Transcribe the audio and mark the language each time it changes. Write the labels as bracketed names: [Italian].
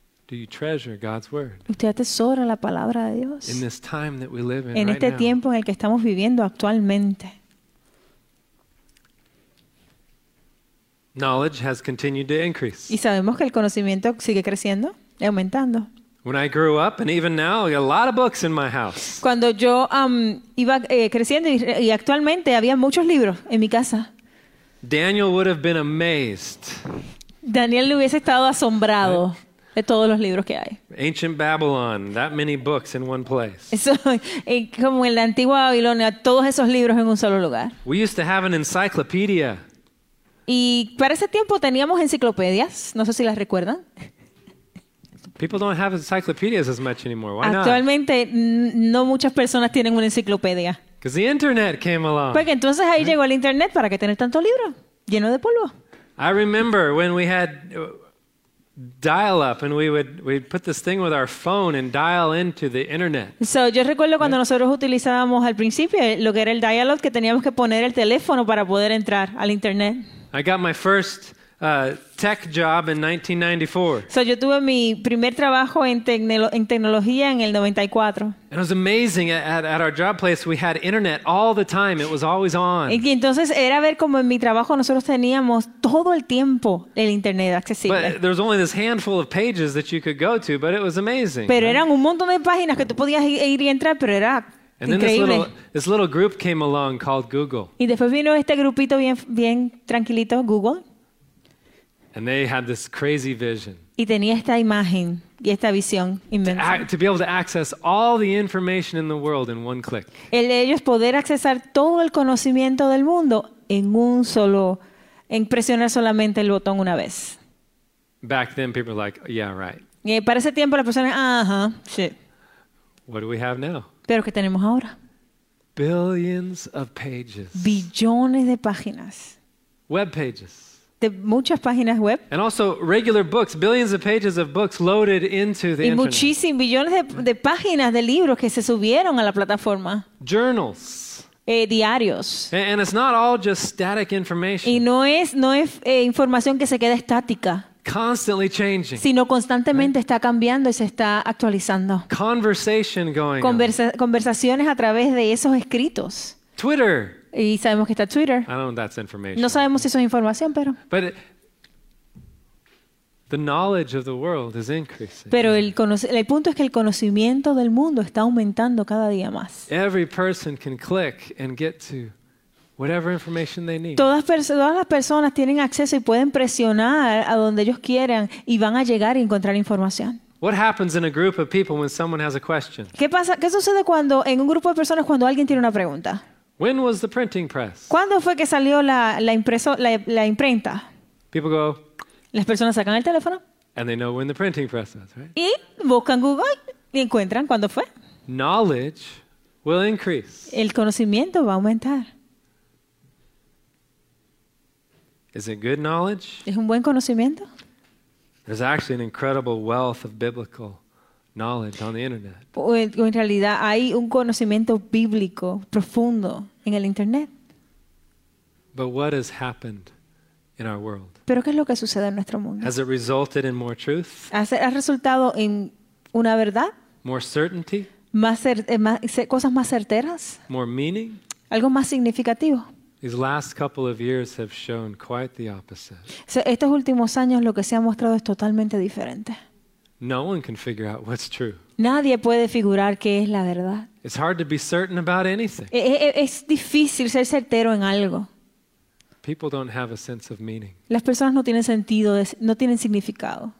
[English] Do you treasure God's word? [Spanish] ¿Usted atesora la palabra de Dios? [English] In this time that we live in, [Spanish] en este [English] right [Spanish] tiempo [English] now, [Spanish] en el que estamos viviendo actualmente. [English] Knowledge has continued to increase. [Spanish] Y sabemos que el conocimiento sigue creciendo, aumentando. [English] When I grew up, and even now, I got a lot of books in my house. [Spanish] Cuando yo iba creciendo y actualmente había muchos libros en mi casa. [English] Daniel would have been amazed. [Spanish] Daniel le hubiese estado asombrado de todos los libros que hay. [English] Ancient Babylon, that many books in one place. [Spanish] Eso, como en la antigua Babilonia, todos esos libros en un solo lugar. [English] We used to have an encyclopedia. [Spanish] Y para ese tiempo teníamos enciclopedias, no sé si las recuerdan. [English] People don't have encyclopedias as much anymore. Why not? [Spanish] Actualmente no muchas personas tienen una enciclopedia. [English] Because the internet came along. [Spanish] Porque entonces ahí llegó el internet, ¿para qué tener tanto libro lleno de polvo? [English] I remember when we had dial-up and we'd put this thing with our phone and dial into the internet. [Spanish] So yo recuerdo cuando nosotros utilizábamos al principio lo que era el dial-up, que teníamos que poner el teléfono para poder entrar al internet. [English] I got my first tech job in 1994. [Spanish] So yo tuve mi primer trabajo en tecnología en el 94. [English] And it was amazing at our job place. We had internet all the time. It was always on. [Spanish] Y entonces era ver cómo en mi trabajo nosotros teníamos todo el tiempo el internet accesible. [English] But there was only this handful of pages that you could go to, but it was amazing. [Spanish] Pero eran un montón de páginas que tú podías ir y entrar, pero era [English] And then this little group came along called Google. [Spanish] Y después vino este grupito bien tranquilito, Google. [English] And they had this crazy vision. [Spanish] Y tenía esta imagen y esta visión inmensa. [English] To be able to access all the information in the world in one click. [Spanish] El de ellos poder accesar todo el conocimiento del mundo en presionar solamente el botón una vez. [English] Back then people were like, yeah, right. [Spanish] Y para ese tiempo las personas, sí. [English] What do we have now? [Spanish] Pero ¿qué tenemos ahora? [English] Billions of pages. [Spanish] Billones de páginas. [English] Web pages. [Spanish] De muchas páginas web. [English] And also regular books, billions of pages of books loaded into the internet. [Spanish] Y muchísimos billones de páginas de libros que se subieron a la plataforma. [English] Journals. [Spanish] Diarios. [English] And it's not all just static information. [Spanish] Y no es información que se queda estática. [English] Constantly changing. [Spanish] Sino constantemente está cambiando y se está actualizando. [English] Conversation going. [Spanish] Conversaciones a través de esos escritos. [English] Twitter. [Spanish] Y sabemos que está Twitter. [English] I don't know if that's information. [Spanish] No sabemos si eso es información, pero. [English] But the knowledge of the world is increasing. [Spanish] Pero el punto es que el conocimiento del mundo está aumentando cada día más. [English] Every person can click and get to whatever information they need. [Spanish] Todas las personas tienen acceso y pueden presionar a donde ellos quieran y van a llegar y encontrar información. [English] What happens in a group of people when someone has a question? [Spanish] ¿Qué sucede cuando en un grupo de personas cuando alguien tiene una pregunta? [English] When was the printing press? [Spanish] ¿Cuándo fue que salió la imprenta? [English] People go. [Spanish] Las personas sacan el teléfono. [English] And they know when the printing press was, right? [Spanish] Y buscan Google y encuentran cuándo fue. [English] Knowledge will increase. [Spanish] El conocimiento va a aumentar. [English] Is it good knowledge? [Spanish] ¿Es un buen conocimiento? [English] There's actually an incredible wealth of biblical knowledge on the internet. [Spanish] En realidad hay un conocimiento bíblico profundo en el internet. [English] But what has happened in our world? [Spanish] ¿Pero qué es lo que sucede en nuestro mundo? [English] Has it resulted in more truth? [Spanish] ¿Ha resultado en una verdad? [English] More certainty? [Spanish] Cosas más certeras? [English] More meaning? [Spanish] Algo más significativo. [English] These last couple of years have shown quite the opposite. [Spanish] So, estos últimos años lo que se ha mostrado es totalmente diferente. [English] No one can figure out what's true. [Spanish] Nadie puede figurar qué es la verdad. [English] It's hard to be certain about anything. [Spanish] Es difícil ser certero en algo. [English] People don't have a sense of meaning. [Spanish] Las personas no tienen sentido, no tienen significado.